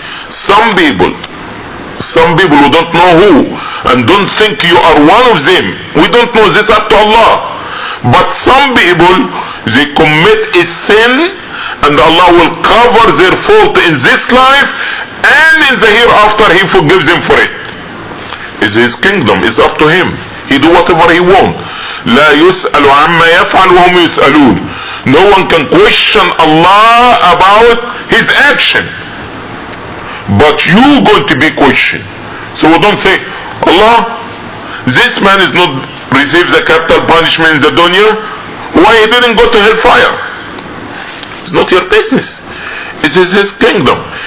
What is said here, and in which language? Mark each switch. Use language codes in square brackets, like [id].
[en] Some people who don't know who, and don't think you are one of them, we don't know, this up to Allah. But some people, they commit a sin, and Allah will cover their fault in this life, and in the hereafter, He forgives them for it. It's His kingdom, it's up to Him. He do whatever He wants. [ar] لا يسأل عما يفعل وهم يسألون. [en] No one can question Allah about His action. But you going to be questioned. So we don't say, Allah, this man is not receive the capital punishment in the dunya. Why he didn't go to hellfire? It's not your business. It is his kingdom.